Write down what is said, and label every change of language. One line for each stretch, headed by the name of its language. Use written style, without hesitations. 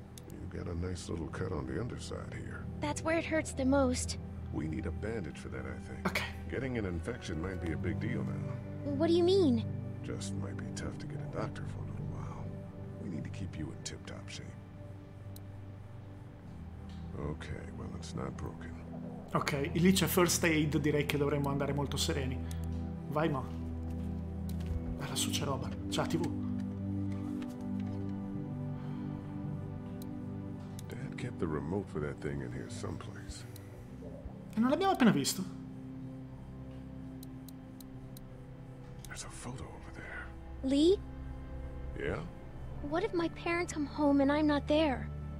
English: You got a nice little cut on the underside here. That's where it hurts the most. We need a bandage for that, I think. Okay. Getting an infection might be a big deal now. What do you mean? Just might be tough to get a doctor for a little while. We need to keep you in tip-top shape. Okay, well, it's not broken.
Italian: Ok, lì c'è first aid, direi che dovremmo andare molto sereni. Vai, ma. Alla su c'è roba. Ciao, TV.
English: the remote for that thing in here someplace.
Italian: E non l'abbiamo appena visto.
English: There's a photo over there. Lee? Yeah? What if my parents come home and I'm not there?